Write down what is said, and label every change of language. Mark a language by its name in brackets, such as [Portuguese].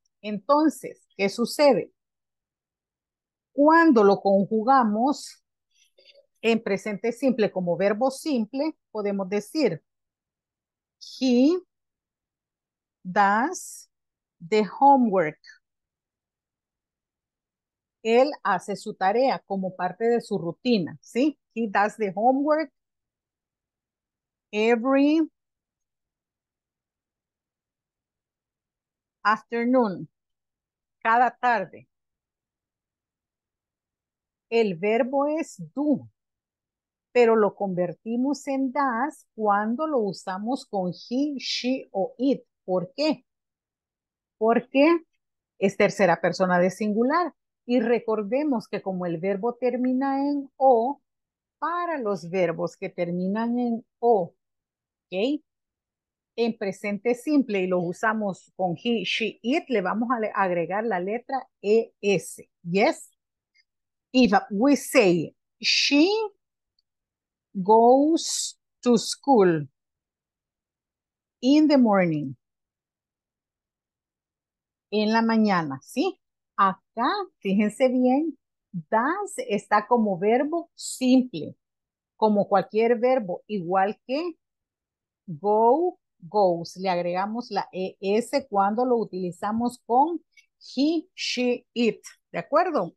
[Spanish] Entonces, ¿qué sucede? Cuando lo conjugamos en presente simple como verbo simple, podemos decir, [English] he does the homework. [Spanish] Él hace su tarea como parte de su rutina, ¿sí? [English] He does the homework every afternoon, [Spanish] cada tarde. El verbo es do, pero lo convertimos en does cuando lo usamos con he, she o it. ¿Por qué? Porque es tercera persona de singular. Y recordemos que como el verbo termina en O, para los verbos que terminan en O, ¿ok? En presente simple y lo usamos con he, she, it, le vamos a agregar la letra ES. ¿Yes? [English] If we say, she goes to school in the morning. [Spanish] en la mañana, ¿sí? Acá, fíjense bien, does está como verbo simple, como cualquier verbo, igual que go, goes. Le agregamos la ES cuando lo utilizamos con he, she, it. ¿De acuerdo?